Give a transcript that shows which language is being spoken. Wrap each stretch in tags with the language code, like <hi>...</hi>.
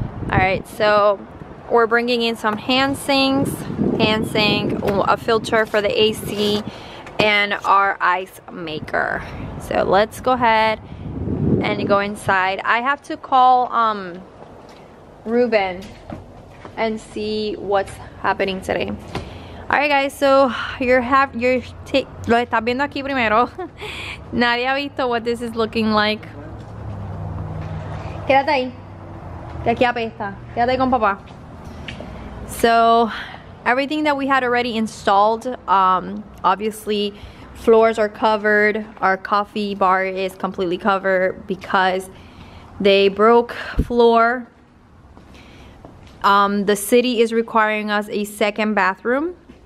<en>Alright, so we're bringing in some hand sinks, hand sink, a filter for the AC, and our ice maker. So let's go ahead and go inside. I have to call Ruben and see what's happening today. All right guys, so</en> <es>lo estás viendo aquí primero. Nadie ha visto</es> <en>what this is looking like.</en> <es>Quédate ahí, que aquí apesta. Quédate con papá.</es> <en>So everything that we had already installed, obviously floors are covered, our coffee bar is completely covered because they broke floor. The city is requiring us a second bathroom.</en>